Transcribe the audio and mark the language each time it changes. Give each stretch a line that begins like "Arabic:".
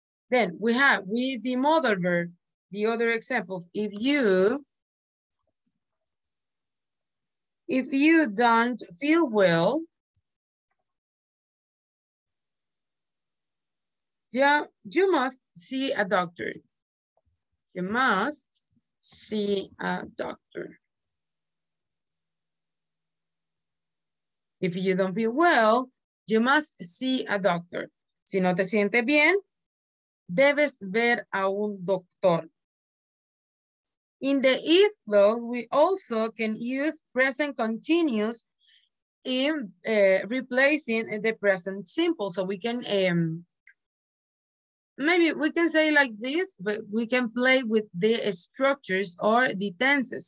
English: Then we have with the modal verb, the other example, if you don't feel well, you must see a doctor. You must see a doctor. If you don't feel well, you must see a doctor.
Spanish: Si no te sientes bien, debes ver a un doctor.
English: In the if clause, we also can use present continuous in replacing the present simple. So we can, maybe we can say like this, but we can play with the structures or the tenses.